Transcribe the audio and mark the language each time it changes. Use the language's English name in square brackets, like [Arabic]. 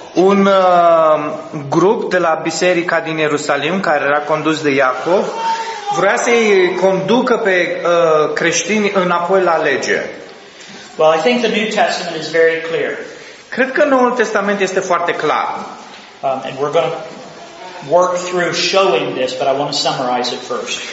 [Romanian] Un grup de la biserica din Ierusalim care era condus de Iacov vrea să îi conducă pe creștini înapoi la lege. [English] Well, I think the New Testament is very clear. [Romanian] Cred că Noul Testament este foarte clar. [English] And we're going to work through showing this, but I want to summarize it first.